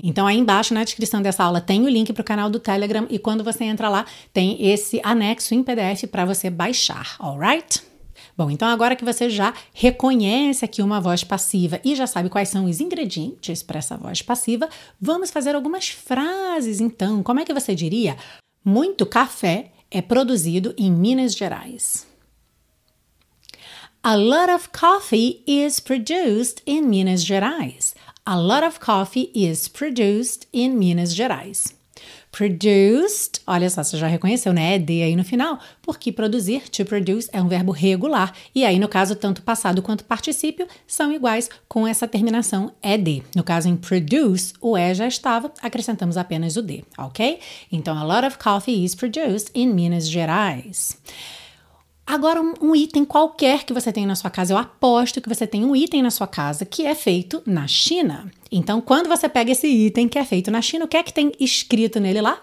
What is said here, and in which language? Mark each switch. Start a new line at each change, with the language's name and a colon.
Portuguese: Então, aí embaixo na descrição dessa aula tem o link para o canal do Telegram e quando você entra lá tem esse anexo em PDF para você baixar, alright? Bom, então agora que você já reconhece aqui uma voz passiva e já sabe quais são os ingredientes para essa voz passiva, vamos fazer algumas frases então. Como é que você diria? Muito café é produzido em Minas Gerais.
English: A lot of coffee is produced in Minas Gerais. A lot of coffee is produced in Minas Gerais.
Portuguese: Produced, olha só, você já reconheceu, né? É D aí no final, porque produzir, to produce, é um verbo regular. E aí, no caso, tanto passado quanto particípio são iguais com essa terminação ED. No caso, em produce, o E já estava, acrescentamos apenas o D, ok?
English: Então, a lot of coffee is produced in Minas Gerais.
Portuguese: Agora, um item qualquer que você tenha na sua casa, eu aposto que você tem um item na sua casa que é feito na China. Então, quando você pega esse item que é feito na China, o que é que tem escrito nele lá?